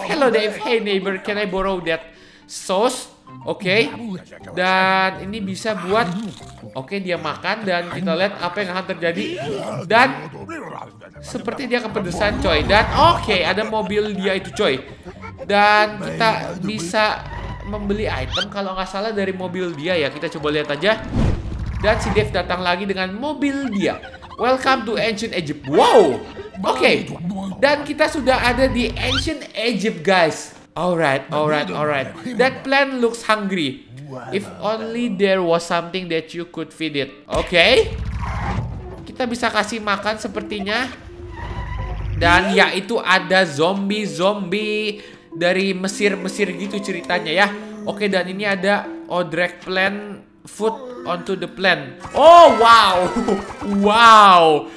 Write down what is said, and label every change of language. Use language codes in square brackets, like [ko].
[en] Hello Dave, hey neighbor, can I borrow that sauce? Oke. [id] Dan ini bisa buat, oke, dia makan dan kita lihat apa yang akan terjadi. Dan seperti dia kepedesan coy. Dan oke, ada mobil dia itu coy. Dan kita bisa membeli item kalau nggak salah dari mobil dia ya. Kita coba lihat aja. Dan si Dave datang lagi dengan mobil dia. [en] Welcome to Ancient Egypt. [id] Wow. Oke. Dan kita sudah ada di Ancient Egypt guys. Alright. [en] That plant looks hungry. If only there was something that you could feed it. Oke. [id] Kita bisa kasih makan sepertinya. Dan ya, itu ada zombie-zombie dari Mesir-Mesir gitu ceritanya ya. Oke, dan ini ada Odrek plant [en] food onto the plant. Oh wow, wow.